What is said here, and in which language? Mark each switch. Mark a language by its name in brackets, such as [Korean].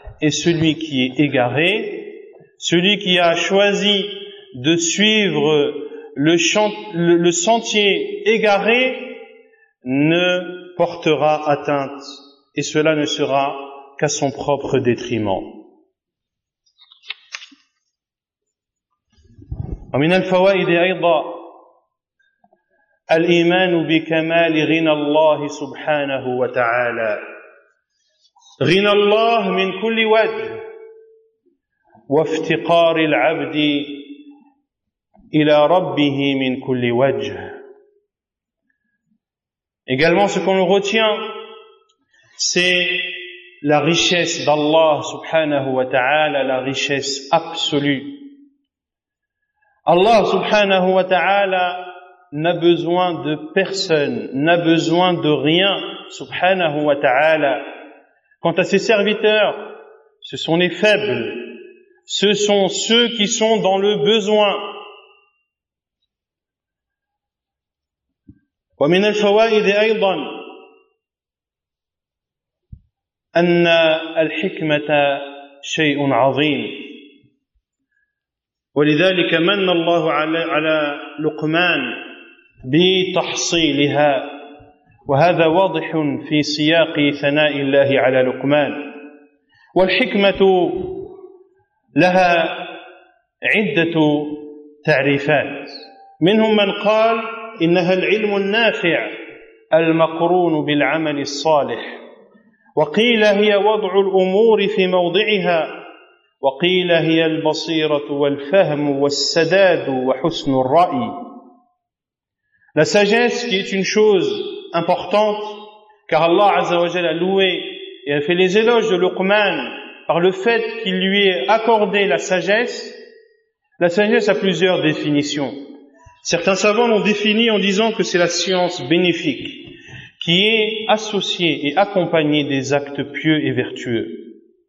[French] Et celui qui est égaré, celui qui a choisi de suivre le sentier égaré, ne portera atteinte, et cela ne sera qu'à son propre détriment. [Arabic] ومن الفوائد ايضا الايمان بكمال غنى الله سبحانه وتعالى. غنى الله من كل وجه وافتقار العبد إلى ربه من كل وجه. [French] Également, ce qu'on retient, c'est la richesse d'Allah subhanahu wa ta'ala, la richesse absolue. Allah subhanahu wa ta'ala n'a besoin de personne, n'a besoin de rien, subhanahu wa ta'ala. Quant à ses serviteurs, ce sont les faibles, ce sont ceux qui sont dans le besoin. [Arabic] ومن الفوائد ايضا ان الحكمه شيء عظيم ولذلك من الله على لقمان بتحصيلها وهذا واضح في سياق ثناء الله على لقمان والحكمه لها عده تعريفات منهم من قال إنها العلم النافع المقرون بالعمل الصالح وقيل هي وضع الأمور في موضعها وقيل هي البصيرة والفهم والسداد وحسن الرأي. [French] La sagesse, qui est une chose importante, car Allah Azza wa Jalla a loué et a fait les éloges de Luqman par le fait qu'il lui ait accordé la sagesse. La sagesse a plusieurs définitions. Certains savants l'ont défini en disant que c'est la science bénéfique qui est associée et accompagnée des actes pieux et vertueux.